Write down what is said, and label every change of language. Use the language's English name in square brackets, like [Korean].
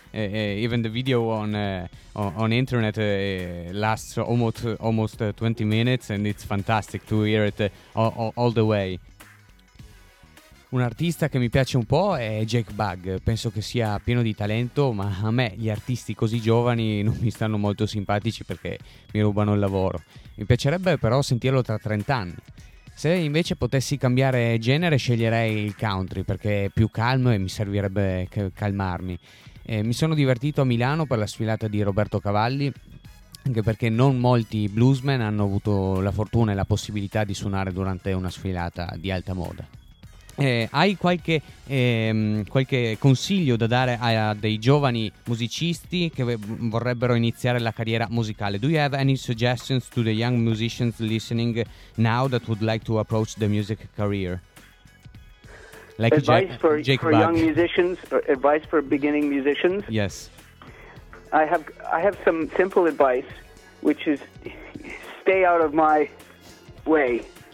[English] Even the video on internet lasts almost 20 minutes, and it's fantastic to hear it all the way. [Italian] Un artista che mi piace un po' è Jake Bug, penso che sia pieno di talento, ma a me gli artisti così giovani non mi stanno molto simpatici perché mi rubano il lavoro. Mi piacerebbe però sentirlo tra 30 anni. Se invece potessi cambiare genere sceglierei il country perché è più calmo e mi servirebbe calmarmi. Mi sono divertito a Milano per la sfilata di Roberto Cavalli, anche perché non molti bluesmen hanno avuto la fortuna e la possibilità di suonare durante una sfilata di alta moda. Hai qualche consiglio da dare a dei giovani musicisti che vorrebbero iniziare la carriera musicale? [English] Do you have any suggestions to the young musicians listening now that would like to approach the music career? Like advice for young musicians, advice for beginning musicians? Yes. I have some simple advice, which is stay out of my way.